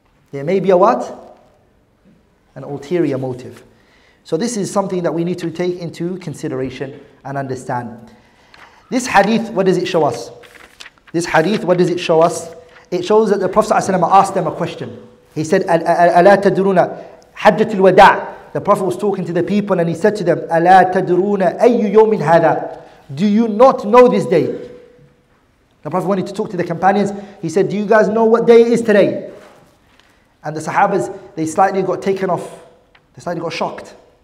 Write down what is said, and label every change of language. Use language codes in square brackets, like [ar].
[en] There may be a what? An ulterior motive. So this is something that we need to take into consideration and understand. This hadith, what does it show us? This hadith, what does it show us? It shows that the Prophet ﷺ asked them a question. He said, [ar] أَلَا تَدْرُونَ حَجَّةِ الْوَدَاعِ. [en] The Prophet was talking to the people and he said to them, [ar] أَلَا تَدْرُونَ أَيُّ يَوْمٍ هَذَا. [en] Do you not know this day? The Prophet wanted to talk to the companions. He said, do you guys know what day is today? And the Sahabas, they slightly got taken off. They slightly got shocked.